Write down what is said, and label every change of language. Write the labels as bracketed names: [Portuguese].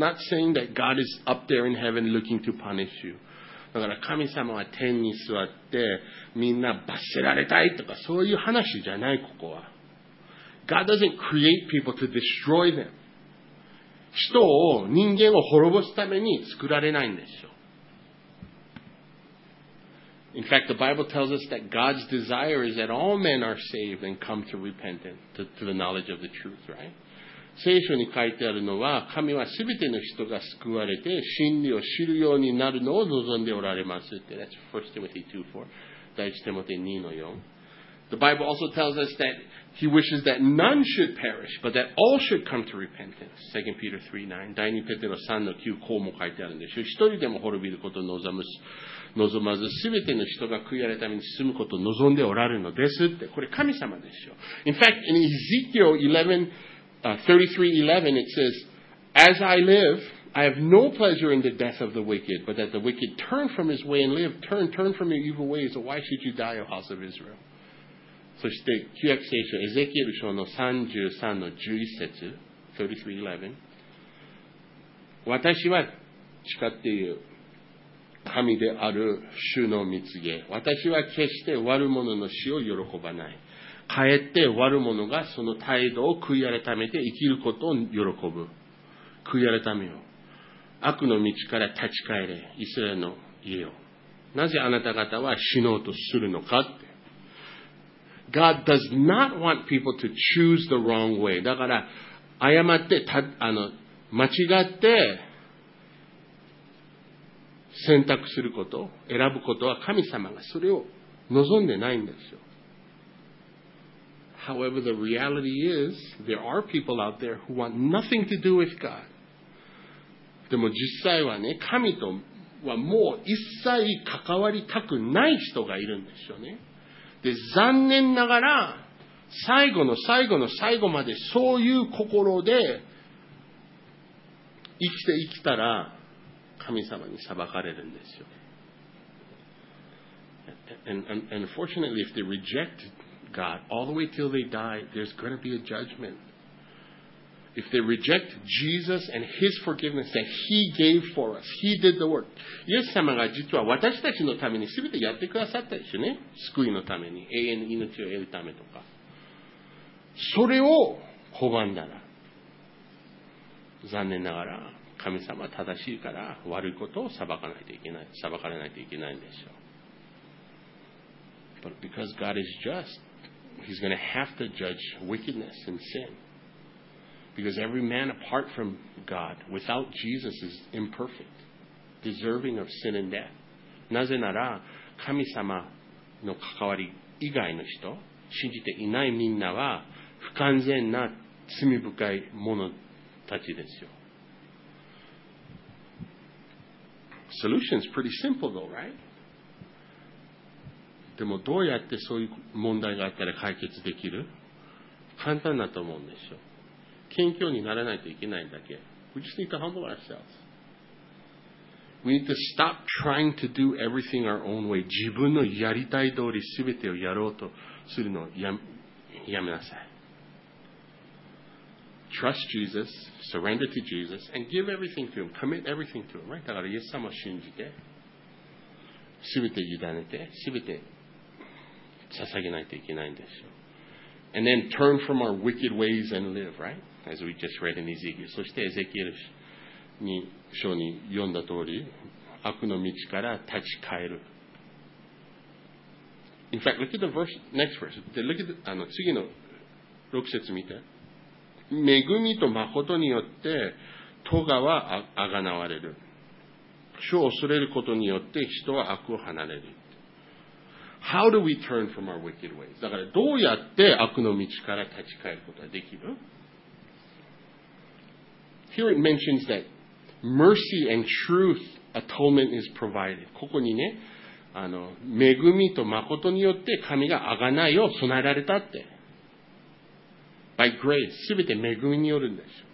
[English] It's not saying that God is up there in heaven looking to punish you. [Japanese] だから神様は天に座ってみんな罰せられたいとかそういう話じゃない、ここは。 [English] God doesn't create people to destroy them. [Japanese] 人間を滅ぼすために作られないんですよ。 [English] In fact, the Bible tells us that God's desire is that all men are saved and come to repentance, to the knowledge of the truth, right? [Japanese] 聖書に書いてあるのは、神はすべての人が救われて、真理を知るようになるのを望んでおられますって。 [English] That's 1 Timothy 2:4. [Japanese] 第1テモテ 2:4. [English] The Bible also tells us that he wishes that none should perish, but that all should come to repentance. 2 Peter 3:9. [Japanese] 第2ペテロ 3:9, こうも書いてあるんでしょ。一人でも滅びることを望まず、すべての人が悔い改めに進むことを望んでおられるのですって。これ神様でしょ。 [English] In fact, in Ezekiel 33:11, it says, As I live, I have no pleasure in the death of the wicked, but that the wicked turn from his way and live. Turn from your evil ways, or why should you die, O house of Israel? [Japanese] そして、旧約聖書、エゼキエル書の33の11節、33:11。私は、誓っている。神である主の御告げ、私は決して悪者の死を喜ばない。かえって悪者がその態度を悔い改めて生きることを喜ぶ。悔い改めよ。悪の道から立ち返れ、イスラエルの家を。なぜあなた方は死のうとするのかって。 [English] God does not want people to choose the wrong way. [Japanese] だから、誤って、間違って、選択すること、選ぶことは神様がそれを望んでないんですよ。 [English] However, the reality is, there are people out there who want nothing to do with God. [Japanese] でも実際はね、神とはもう一切関わりたくない人がいるんですよね。で、残念ながら、最後の最後の最後までそういう心で生きて生きたら、神様に裁かれるんですよ。 [English] And unfortunately, if they reject God all the way till they die, there's going to be a judgment. If they reject Jesus and His forgiveness that He gave for us, He did the work. [Japanese] イエス様が実は私たちのためにすべてやってくださったでしょうね。救いのために、永遠の命を得るためとか。それを拒んだら、残念ながら、神様は正しいから悪いことを裁かないといけない、裁かれないといけないんですよ。 [English] But because God is just, He's going to have to judge wickedness and sin. Because every man apart from God, without Jesus, is imperfect, deserving of sin and death. [Japanese] なぜなら、神様の関わり以外の人、信じていないみんなは、不完全な罪深い者たちですよ。 [English] Solution is pretty simple though, right? [Japanese] でもどうやってそういう問題があったら解決できる？簡単だと思うんでしょ。謙虚にならないといけないんだけ。 [English] We just need to humble ourselves. We need to stop trying to do everything our own way. [Japanese] 自分のやりたい通り全てをやろうとするのをやめなさい。 [English] Trust Jesus, surrender to Jesus, and give everything to Him. Commit everything to Him, right? [Japanese] だからイエス様を信じて、すべて委ねて、すべて捧げないといけないんですよ。 [English] And then turn from our wicked ways and live, right? As we just read in Ezekiel. [Japanese] そしてエゼキエル書に読んだ通り、悪の道から立ち返る。 [English] In fact, look at the verse, next verse. [Japanese] で、 [English] look at the, [Japanese] 次の6節見て。恵みと誠によって、咎はあがなわれる。主を恐れることによって、人は悪を離れる。 [English] How do we turn from our wicked ways? [Japanese] だから、どうやって悪の道から立ち返ることができる？ [English] Here it mentions that mercy and truth atonement is provided. [Japanese] ここにね、恵みと誠によって、神があがないを備えられたって。 [English] By grace, [Japanese] 全て恵みによるんです。